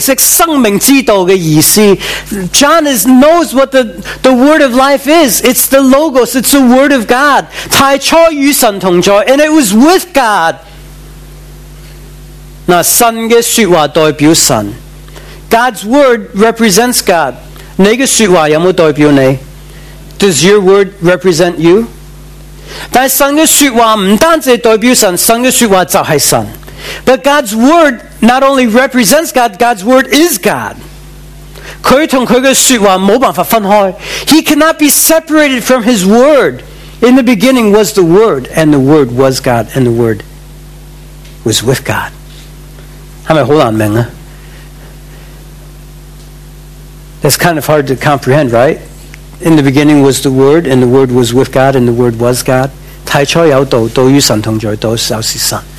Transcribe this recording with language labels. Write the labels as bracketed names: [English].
[Chinese] 这个就是约翰所认识生命之道的意思。 [English] John knows what the word of life is. It's the Logos, it's the word of God. [Chinese] 太初与神同在, [English] and it was with God. [Chinese] 那神的说话代表神。 [English] God's word represents God. [Chinese] 你的说话有没有代表你? [English] Does your word represent you? [Chinese] 但神的说话不单只代表神，神的说话就是神。 [English] But God's word not only represents God, God's word is God. [Chinese] 祂与祂的说话没办法分开。 [English] He cannot be separated from His word. In the beginning was the Word, and the Word was God, and the Word was with God. [Chinese] 是不是很难明啊? [English] That's kind of hard to comprehend, right? In the beginning was the Word, and the Word was with God, and the Word was God. [Chinese] 太初有道，道与神同在，道就是神。